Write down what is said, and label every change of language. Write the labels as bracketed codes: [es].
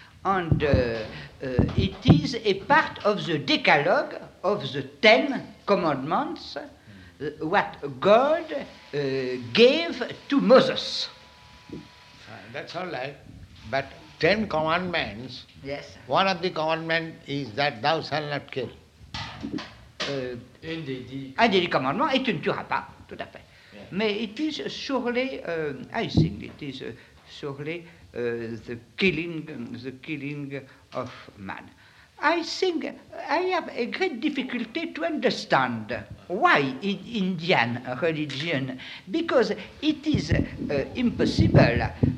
[en] And it is a part of the Decalogue of the Ten Commandments, what God gave to Moses. That's all right. But Ten commandments. Yes. One of the commandments is that thou shalt not kill. [fr] Un des commandements est tu ne tueras pas, tout à fait. [en] Yeah. [fr] Mais [en] it is [fr] sur les, [en] I think it is sur les the killing of man. I think I have a great difficulty to understand why in Indian religion, because it is impossible.